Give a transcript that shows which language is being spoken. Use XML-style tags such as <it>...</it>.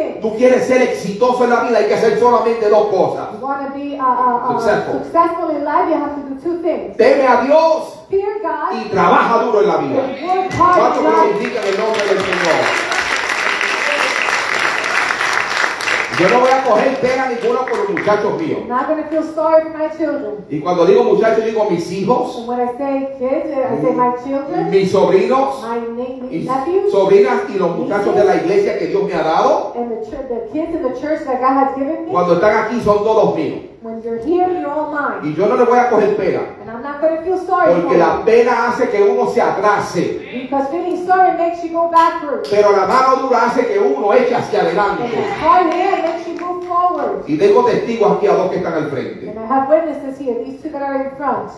<es>Tú quieres ser exitoso en la vida, hay que hacer solamente dos cosas.</es> <en>You want to be successful in life, you have to do two things.</en> <es>Teme a Dios.</es> <en>Fear God.</en> <es>Y trabaja duro en la vida. ¿Cuánto glorifica el nombre del Señor? Yo no voy a coger pena ninguna por los muchachos míos.</es> <en>I'm not going to feel sorry for my children.</en> <es>Y cuando digo muchachos, digo mis hijos.</es> <en>And when I say kids, I say my children.</en> <es>Mis sobrinos.</es> <en>My nephews.</en> <es>Sobrinas y los muchachos de la iglesia que Dios me ha dado.</es> <en>And the kids in the church that God has given me.</en> <es>Cuando están aquí, son todos míos.</es> <en>When you're here, you're all mine.</en> <es>Y yo no le voy a coger pena.</es> <en>And I'm not going to feel sorry</en> <es>porque porque la pena hace que uno se atrase.</es> <en>Because feeling sorry makes you go backwards.</en> <es>Pero la mano dura hace que uno eche hacia adelante.</es> <en>And the hard hand makes you move forward.</en> <es>Y tengo testigos aquí a dos que están al frente.</es> <en>And I have witnesses here, these two that are in front.</en>